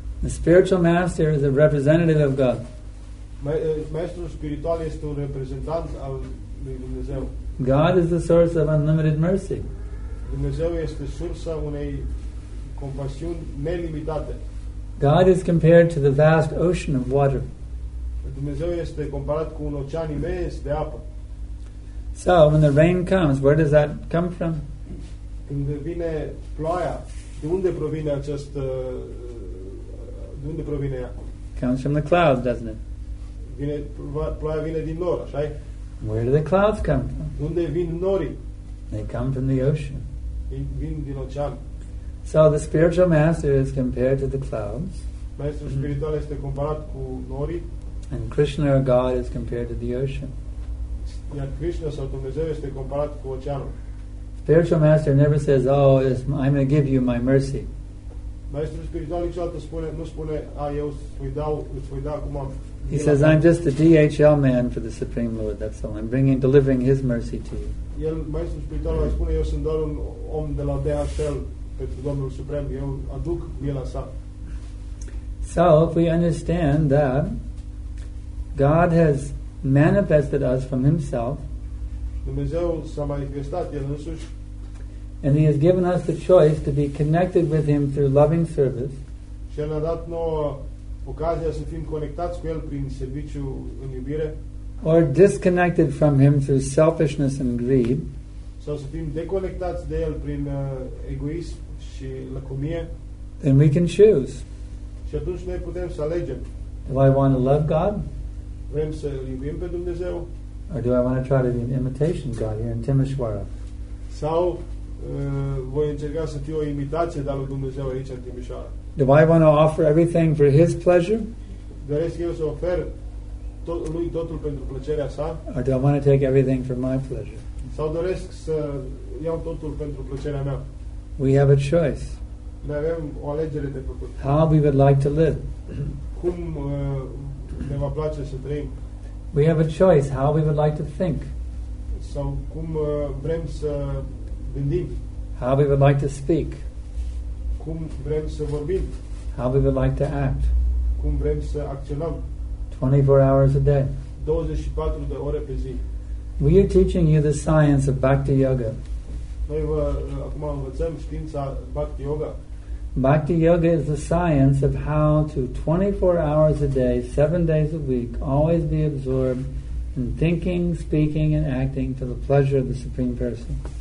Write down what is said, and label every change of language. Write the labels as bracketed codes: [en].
[en] The spiritual master is a representative of God. [ro] Maestrul spiritual este un reprezentant al lui Dumnezeu. [en] God is the source of unlimited mercy. [ro] Dumnezeu este sursa unei compasiuni nelimitate. [en] God is compared to the vast ocean of water. [ro] Dumnezeu este comparat cu un ocean imens de apă. [en] So, when the rain comes, where does that come from? [ro] Când vine ploaia, de unde provine acest de unde provine ea? [en] Comes from the clouds, doesn't it? [ro] Vine ploaia vine din nor, așa e? [en] Where do the clouds come from? [ro] Unde vin norii? [en] They come from the ocean. [ro] Vin din ocean. [en] So the spiritual master is compared to the clouds. [ro] Maestrul spiritual este comparat cu norii. [en] And Krishna or God is compared to the ocean. [ro] Iar Krishna sau Dumnezeu este comparat cu oceanul. [en] Spiritual master never says, "Oh, I'm going to give you my mercy." [ro] Maestrul spiritual niciodată nu spune, eu îți voi da acum. [en] He says, I'm just the DHL man for the Supreme Lord, that's all. I'm bringing, delivering his mercy to you. [ro] El, maestrul spiritual, îi spune, eu sunt doar un om de la DHL pentru Domnul Suprem. Eu aduc mila sa. [en] So, if we understand that God has manifested us from himself, [ro] Dumnezeu s-a manifestat el însuși, [en] and he has given us the choice to be connected with him through loving service, [ro] și el ne-a dat nouă ocazia să fim conectați cu el prin serviciu în iubire, [en] or disconnected from him through selfishness and greed, [ro] sau să fim deconectați de el prin egoism și lăcomie, [en] then we can choose. [ro] Și atunci noi putem să alegem. [en] Do I want to love God? [ro] Vrem să îl iubim pe Dumnezeu? [en] Or do I want to try to be an imitation God here in Timișoara? [ro] Sau voi încerca să fiu o imitație de-a lui Dumnezeu aici în Timișoara? [en] Do I want to offer everything for his pleasure? [ro] Doresc eu să ofer lui totul pentru plăcerea sa? [en] Or do I want to take everything for my pleasure? [ro] Sau doresc să iau totul pentru plăcerea mea? [en] We have a choice. [ro] Noi avem o alegere de făcut. [en] How we would like to live. [ro] Cum ne va place să trăim? [en] We have a choice how we would like to think. [ro] Sau cum vrem să gândim? [en] How we would like to speak. [ro] Cum vrem să vorbim? [en] How we would like to act. [ro] Cum vrem să acționăm? [en] 24 hours a day. [ro] 24 de ore pe zi. [en] We are teaching you the science of Bhakti Yoga. [ro] Noi vă acum învățăm știința Bhakti Yoga. [en] Bhakti Yoga is the science of how to 24 hours a day, 7 days a week, always be absorbed in thinking, speaking and acting to the pleasure of the Supreme Person.